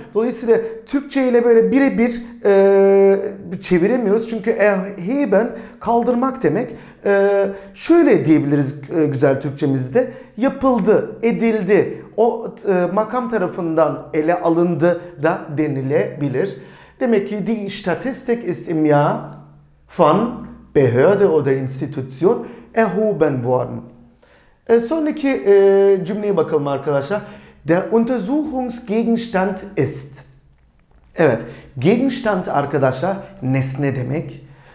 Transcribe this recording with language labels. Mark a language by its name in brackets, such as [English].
[Turkish] Dolayısıyla Türkçe ile böyle birebir çeviremiyoruz. Çünkü erheben kaldırmak demek. Şöyle diyebiliriz güzel Türkçemizde. Yapıldı, edildi. O makam tarafından ele alındı da denilebilir. Demek ki [German] die Statistik ist im Jahr von Behörde oder Institution erhoben worden. [Turkish] Sonraki cümleye bakalım arkadaşlar. [German] Der Untersuchungsgegenstand ist. [Turkish] Evet, Gegenstand arkadaşlar nesne demek.